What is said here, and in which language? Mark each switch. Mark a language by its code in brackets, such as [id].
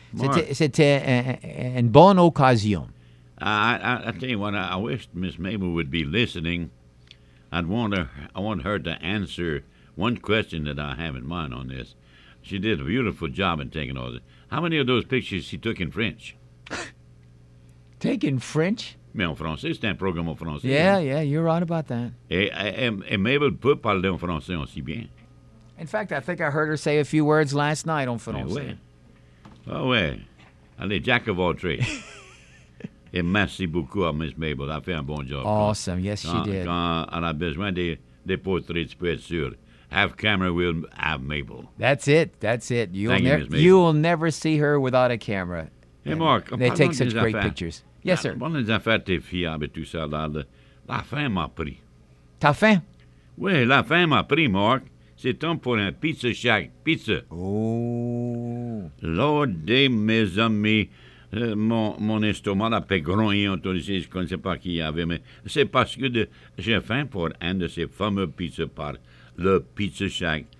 [fr] C'était une bonne occasion. [en] I tell you what, I wish Miss Mabel would be listening. I want her to answer one question that I have in mind on this. She did a beautiful job in taking all this. How many of those pictures she took in French? Take in French? [fr] Mais en français, c'est un programme en français. [en] Yeah, yeah, you're right about that. [fr] Et Mabel peut parler en français aussi bien. [en] In fact, I think I heard her say a few words last night [fr] en français. Oh, ouais. Elle est [en] jack of all trades. [fr] Et merci beaucoup à Miss Mabel. Elle a fait un bon job. [en] Awesome. Yes, she did. [fr] Quand on a besoin des portraits, tu peux être sûr. [en] Have camera, we'll have Mabel. That's it. Thank you, Miss Mabel. You will never see her without a camera. Hey, Mark. They take such great pictures. Yes, sir. [fr] Bon, les affaires, tes filles, avec tout ça, là, la faim m'a pris. Ta faim? Oui, la faim m'a pris, Mark. C'est temps pour un pizza shack. Pizza. Oh. Lord de mes amis. Mon estomac a fait grogner en tout ici, je ne sais pas qui y avait, mais c'est parce que j'ai faim pour un de ces fameux pizzas par le Pizza Shack.